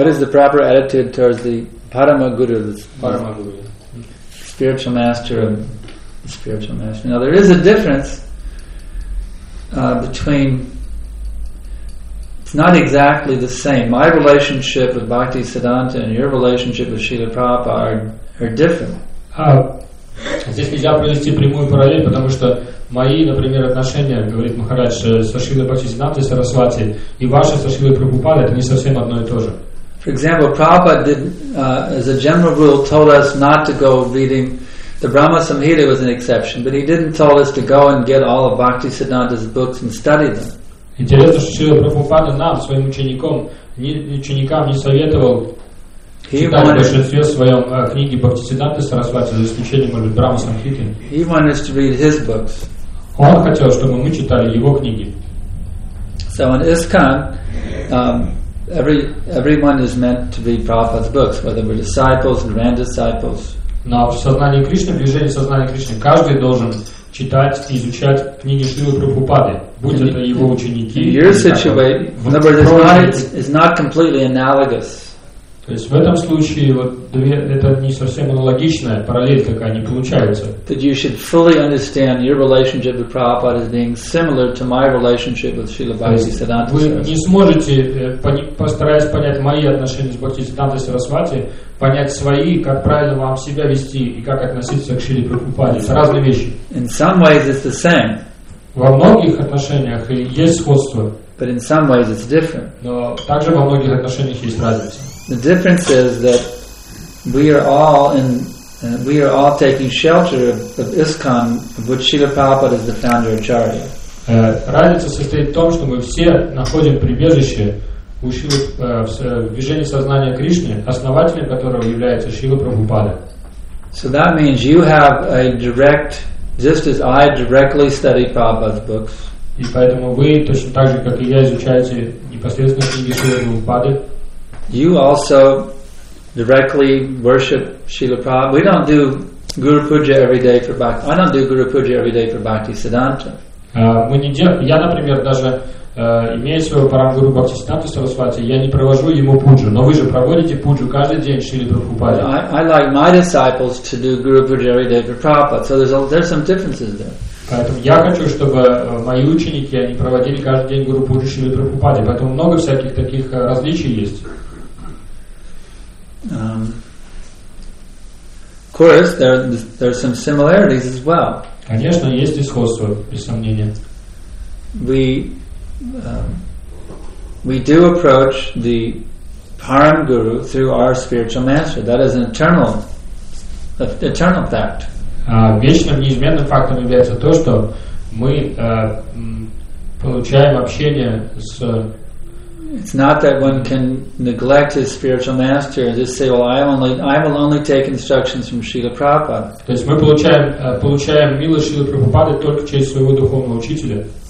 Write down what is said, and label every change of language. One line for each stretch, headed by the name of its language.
English: what is the proper attitude towards the Paramaguru, spiritual master of the spiritual master. Now there is a difference between, not exactly the same. My relationship with Bhakti Siddhanta and your relationship with Srila Prabhupada are different.
Russian: Здесь нельзя провести прямую параллель, потому что мои, например, отношения, говорит Махарадж, со Шрилой Бхакти Сиддхантой Сарасвати и ваши со Шрилой Прабхупадой, это не совсем одно и то же.
English: For example, Prabhupada did, as a general rule, told us not to go reading the Brahma Samhita was an exception, but he didn't tell us to go and get all of Bhakti Siddhanta's books and study them.
Russian: Интересно, что Шрила Прабхупада нам, своим ученикам, не советовал читать в большинстве своем книги Бхактисиддханты Сарасвати, за исключением, может быть, Брама Самхиты.
English: He wanted to read his books.
Russian: Он хотел, чтобы мы читали его книги.
English: So in ISKCON, everyone is meant to read Prabhupada's books, whether we're disciples, grand disciples.
Russian: Но в сознании Кришны, в движении сознания Кришны, каждый должен читать и изучать книги Шрилы Прабхупады, будь это его ученики.
English: In your situation, it's not completely analogous.
Russian: То есть в этом случае вот это не совсем аналогичная параллель такая не получается.
English: That you should fully understand your relationship with Prabhupada as being similar to my relationship with Srila Bhakti Siddhanta.
Russian: Вы не сможете, постараясь понять мои отношения с Бхактисиддхантой Сарасвати, понять свои, как правильно вам себя вести и как относиться к Шриле Прабхупаде. Это разные вещи.
English: In some ways it's the same.
Russian: Во многих отношениях есть сходство.
English: But in some ways it's different.
Russian: Но также во многих отношениях есть разница.
English: The difference is that we are all taking shelter of ISKCON, of which Srila Prabhupada is the founder of Acharya.
Russian: Разница состоит в том, что мы все находим прибежище в движении сознания Кришны, основателем которого является Шрила Прабхупада.
English: So that means you have a direct, just as I directly study Prabhupada's books.
Russian: И поэтому вы точно так же, как и я, изучаете непосредственно книги Шрила Прабхупады.
English: You also directly worship Srila Prabhupada. We don't do Guru Puja every day for Bhakti. I don't do Guru Puja every day for Bhakti Siddhanta.
Russian: Я, например, даже имея своего парангуру Бхакти Сиддханта Сарасвати, я не провожу ему пуджу, но вы же проводите пуджу каждый день Шрили Прабхупаде.
English: I like my disciples to do Guru Puja every day for Prabhupada. So there's some differences there.
Russian: Поэтому я хочу, чтобы мои ученики они проводили каждый день Гуру Пуджу Шрили Прабхупаде. Поэтому много всяких таких различий есть.
English: Of course, there's some similarities as well.
Russian: Конечно, есть и сходство, без сомнения.
English: We do approach the Param Guru through our spiritual master. That is an eternal fact.
Russian: Вечным неизменным фактом является то, что мы получаем общение с.
English: It's not that one can neglect his spiritual master and just say, "Well, I will only take instructions from Srila Prabhupada."
Russian: То есть мы получаем милость Шрилы Прабхупады только через своего духовного учителя.